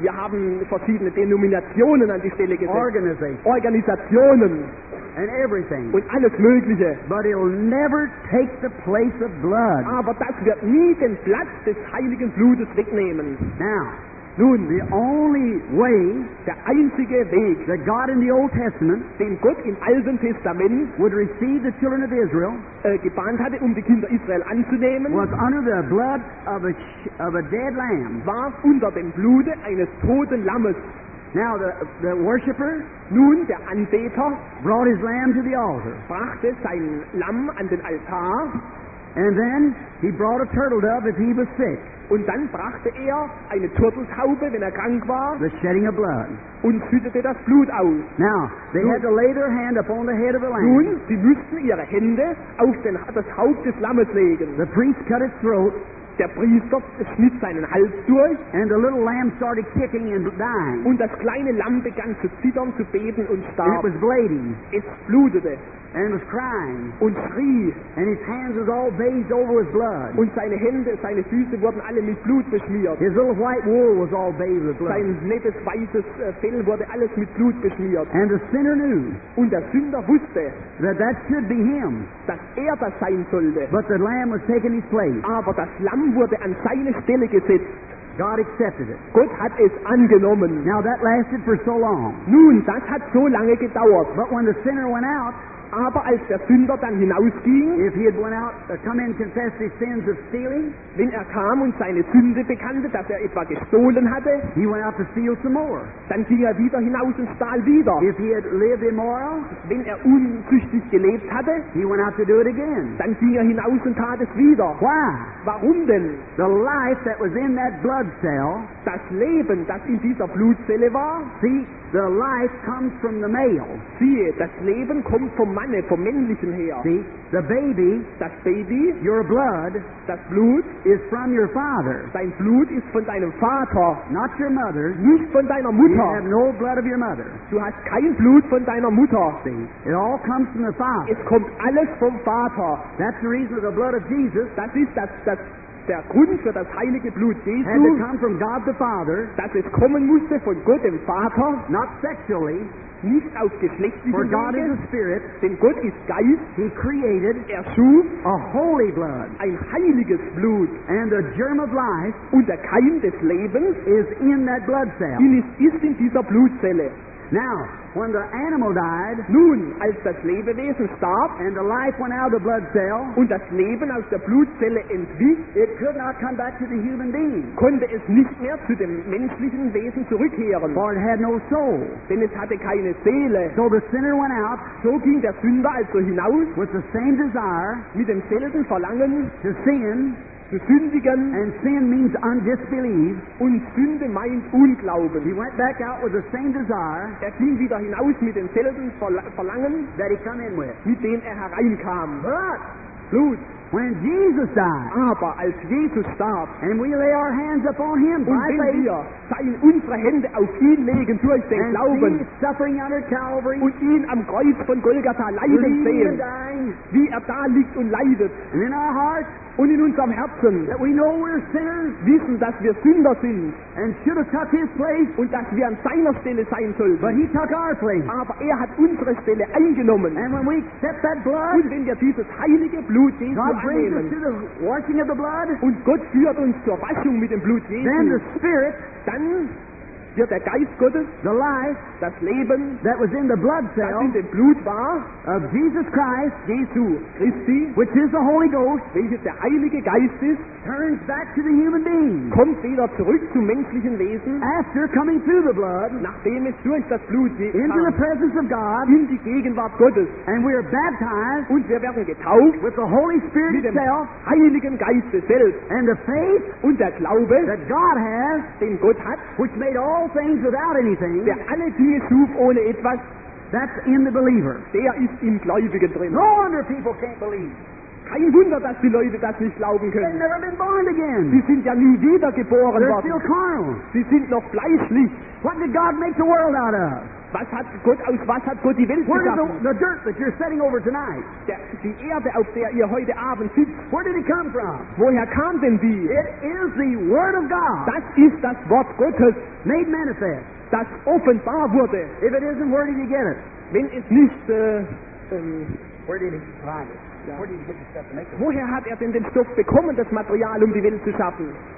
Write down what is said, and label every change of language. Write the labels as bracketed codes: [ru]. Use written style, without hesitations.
[de] Wir haben verschiedene Denominationen an die Stelle gesetzt. Organisationen. [en] And everything. [de] Und alles Mögliche. [en] But it'll never take the place of blood. [de] Aber das wird nie den Platz des heiligen Blutes wegnehmen. [en] Now. [de] Nun, [en] the only way, [de] der einzige Weg, [en] that God in the Old Testament, [de] den Gott im Alten Testament, [en] would receive the children of Israel, [de] gebannt hatte, die Kinder Israel anzunehmen, [en] was under the blood of a dead lamb, [de] war unter dem Blute eines toten Lammes. [en] Now the worshipper, [de] nun der Anbeter, [en] brought his lamb to the altar, [de] brachte sein Lamm an den Altar, [en] and then he brought a turtle dove if he was sick. [de] Und dann brachte er eine Turteltaube, wenn er krank war, [en] the shedding of blood. [de] Und schüttete das Blut aus. [en] Now, they had to lay their hand upon the head of the lamb. [de] Nun, sie mussten ihre Hände auf das Haupt des Lammes legen. [en] The priest cut his throat. [de] Der Priester schnitt seinen Hals durch. [en] And the little lamb started kicking and dying. [de] Und das kleine Lamm begann zu zittern, zu beben und starb. [en] It was bleeding. [de] Es blutete. [en] And was crying. [de] Und schrie. [en] And his hands was all bathed over with blood. [de] Und seine Hände, seine Füße wurden alle mit Blut beschmiert. [en] His little white wool was all bathed with blood. [de] Sein nettes weißes Fell wurde alles mit Blut beschmiert. [en] And the sinner knew. [de] Und der Sünder wusste. [en] That should be him. [de] Dass er das sein sollte. [en] But the lamb was taking his place. [de] Aber das Lamm wurde an seine Stelle gesetzt. [en] God accepted it. [de] Gott hat es angenommen. [en] Now that lasted for so long. [de] Nun, das hat so lange gedauert. [en] But when the sinner went out. [de] Aber als der Sünder dann hinausging, [en] if he had went out, come in and confessed his sins of stealing, [de] wenn er kam und seine Sünde bekannte, dass er etwa gestohlen hatte, [en] he went out to steal some more. [de] Dann ging er wieder hinaus und stahl wieder. [en] If he had lived immoral, [de] wenn er unzüchtig gelebt hatte, [en] he went out to do it again. [de] Dann ging er hinaus und tat es wieder. [en] Why? [de] Warum denn? [en] The life that was in that blood cell, [de] das Leben, das in dieser Blutzelle war, [en] see, the life comes from the male. [de] Siehe, das Leben kommt vom Manne, vom Männlichen her. [en] See, the baby, [de] das Baby, [en] your blood, [de] das Blut, [en] is from your father. [de] Dein Blut ist von deinem Vater. [en] Not your mother. [de] Nicht von deiner Mutter. [en] You have no blood of your mother. [de] Du hast kein Blut von deiner Mutter. [en] See, it all comes from the Father. [de] Es kommt alles vom Vater. [en] That's the reason of the blood of Jesus. [de] Das ist das der Grund für das heilige Blut Jesu, [en] had to come from God the Father, [de] dass es kommen musste von Gott dem Vater, [en] not sexually, [de] nicht aus geschlechtlichen Wegen, [en] for God is a spirit, [de] denn Gott ist Geist, [en] he created, [de] er schuf, [en] a holy blood, [de] ein heiliges Blut, [en] and the germ of life, [de] und der Keim des Lebens, [en] is in that blood cell, [de] ist in dieser Blutzelle. [en] Now, when the animal died, [de] nun, als das Lebewesen starb, [en] and the life went out of the blood cell, [de] und das Leben aus der Blutzelle entwich, [en] it could not come back to the human being, [de] konnte es nicht mehr zu dem menschlichen Wesen zurückkehren, [en] for it had no soul, [de] denn es hatte keine Seele. [en] So the sinner went out, [de] so ging der Sünder also hinaus, [en] with the same desire, [de] mit demselben Verlangen, [en] to sin, [de] zu sündigen, [en] and sin means undisbelief, [de] und Sünde meint Unglauben. [en] He went back out with the same desire, [de] er ging wieder hinaus mit demselben Verlangen, [en] that he come in with, [de] mit dem er hereinkam. [en] But [de] Blut. [en] When Jesus died, [de] aber als Jesus starb, [en] and we lay our hands upon him, [de] und [en] by [de] wenn [en] faith, [de] wir unsere Hände auf ihn legen durch den [en] and [de] Glauben, [en] see his suffering under Calvary, [de] und ihn am Kreuz von Golgatha leiden sehen, wie er da liegt und leidet, [en] and in our heart, [de] und in unserem Herzen, [en] that we know we're sinners, [de] wissen, dass wir Sünder sind, [en] and should have took his place, [de] und dass wir an seiner Stelle sein sollten, [en] but he took our place, [de] aber er hat unsere Stelle eingenommen, [en] and when we accept that blood, [de] und wenn wir dieses heilige Blut Jesu [en] God brings us to the washing of the blood, [de] und Gott führt uns zur Waschung mit dem Blut Jesu, [en] then the Spirit, [de] dann wird der Geist Gottes, [en] the life, [de] das Leben, [en] that was in the blood cell, [de] das in dem Blut war, [en] of Jesus Christ, [de] Jesu Christi, [en] which is the Holy Ghost, [de] welches der Heilige Geist ist, [en] turns back to the human being, [de] kommt wieder zurück zum menschlichen Wesen, [en] after coming through the blood, [de] nachdem es durch das Blut kam, [en] into the presence of God, [de] in die Gegenwart Gottes, [en] and we are baptized, [de] und wir werden getauft, [en] with the Holy Spirit [de] mit dem [en] itself, [de] Heiligen Geist selbst, [en] and the faith, [de] und der Glaube, [en] that God has, [de] den Gott hat, [en] which made all things without anything, [de] der alle Dinge schuf ohne etwas, [en] that's in the believer, [de] der ist im Gläubigen drin. [en] No wonder people can't believe. [de] Kein Wunder, dass die Leute das nicht glauben können. [en] They've never been born again. [de] Sie sind ja nie wiedergeboren [en] They're [de] worden. [en] Still carnal. [de] Sie sind noch fleischlich. [en] What did God make the world out of? [de] Was hat Gott aus was hat Gott die Welt [en] Where [de] geschaffen? [en] Where is the dirt that you're setting over tonight? [de] Die Erde, auf der ihr heute Abend sitzt. [en] Where did it come from? [de] Woher kam denn die? [en] It is the Word of God. [de] Das ist das Wort Gottes. [en] Made manifest. [de] Das offenbar wurde. [en] If it isn't, where did you get it? [de] Wenn es nicht, [en] where did he find it? Where did he get the stuff to make it? [de] Woher hat denn den Stoff bekommen, das Material, die Welt zu schaffen?